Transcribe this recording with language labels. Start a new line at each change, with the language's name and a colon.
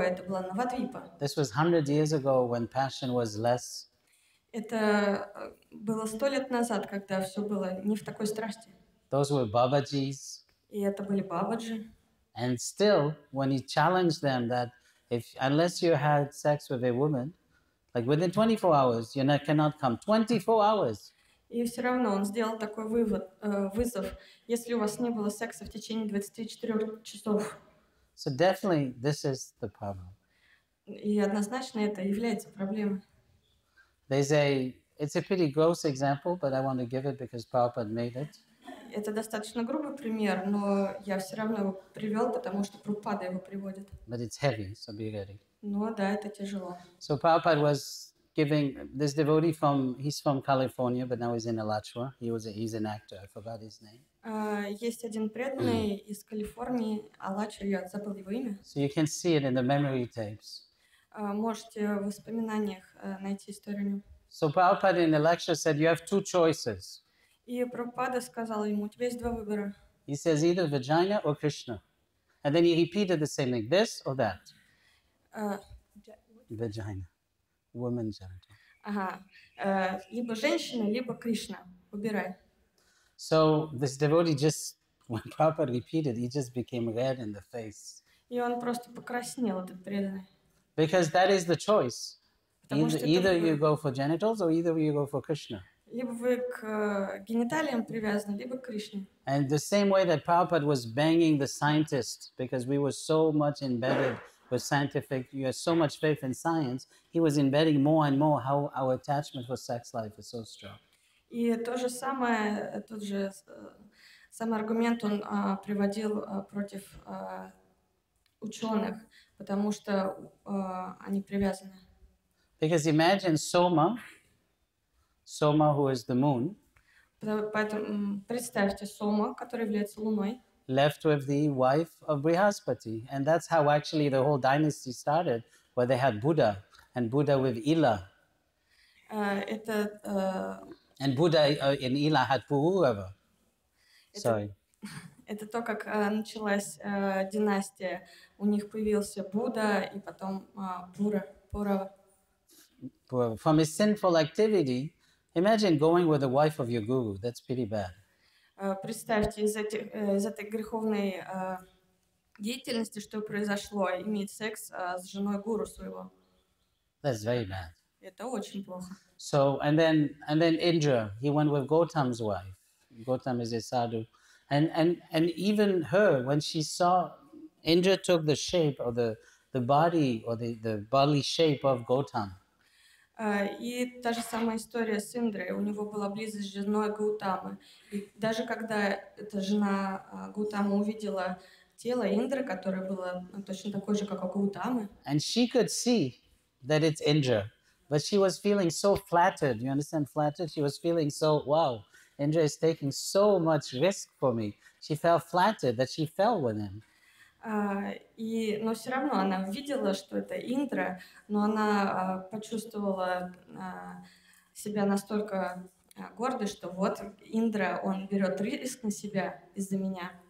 Russian: Это была Навадвипа.
English: This was 100 years ago when passion was less.
Russian: Это было 100 лет назад, когда все было не в такой страсти.
English: Those were Babaji's.
Russian: И это были Бабаджи.
English: And still, when he challenged them that if unless you had sex with a woman. Like within 24 hours, you cannot come. 24 hours.
Russian: И все равно он сделал такой вывод, вызов, если у вас не было секса в течение 24 часов.
English: So definitely this is the problem.
Russian: И однозначно это является проблемой.
English: There's it's a pretty gross example, but I want to give it because Prabhupada made it.
Russian: Это достаточно грубый пример, но я все равно его привел, потому что Прабхупада его приводит.
English: But it's heavy, so be ready.
Russian: Ну да, это тяжело.
English: So Prabhupada was giving this devotee from he's from California, but now he's in Alachua. He's an actor. I forgot his name.
Russian: Есть один преданный из Калифорнии, Алачу, я забыл его имя.
English: So you can see it in the memory tapes.
Russian: Можете в воспоминаниях найти историю.
English: So Prabhupada in the lecture said you have 2 choices.
Russian: И Прабхупада сказал ему, у тебя есть 2 выбора.
English: He says either vagina or Krishna, and then he repeated the same thing, this or that. Vagina, woman genital.
Russian: Либо женщина, либо Кришна. Выбирай.
English: So this devotee just, when Prabhupada repeated, he just became red in the face.
Russian: И он просто покраснел, этот преданный.
English: Because that is the choice. Either you go for genitals or either you go for Krishna.
Russian: Либо вы к гениталиям привязаны, либо к Кришне.
English: And the same way that Prabhupada was banging the scientists because we were so much embedded. For scientific, you have so much faith in science. He was embedding more and more how our attachment for sex life is so strong.
Russian: И то же самое, тот же самый аргумент он приводил против ученых, потому что они привязаны.
English: Because imagine Soma, who is the moon.
Russian: Поэтому представьте Сома, который является луной.
English: Left with the wife of Brihaspati. And that's how actually the whole dynasty started, where they had Buddha, and Buddha with Ila. And Buddha and Ila had Puruva. Sorry.
Russian: Это то, как началась династия. У них появился Будда, и потом Пурава.
English: From a sinful activity, imagine going with the wife of your guru. That's pretty bad.
Russian: Представьте, из этой греховной деятельности, что произошло, иметь секс с женой гуру своего.
English: That's very bad.
Russian: Это очень плохо.
English: So, and then Indra, he went with Gautam's wife. Gautam is a sadhu. And even her, when she saw, Indra took the shape of the body or the bodily shape of Gautam.
Russian: И та же самая история с Индрой. У него была близость с женой Гаутамы. И даже когда эта жена Гаутамы увидела тело Индры, которое было точно такое же, как у Гаутамы.
English: And she could see that it's Indra. But she was feeling so flattered. You understand flattered? She was feeling so, wow, Indra is taking so much risk for me. She felt flattered that she fell with him.
Russian: Но все равно она видела, что это Индра, но она почувствовала себя настолько гордой, что вот Индра, он берет риск на себя из-за меня.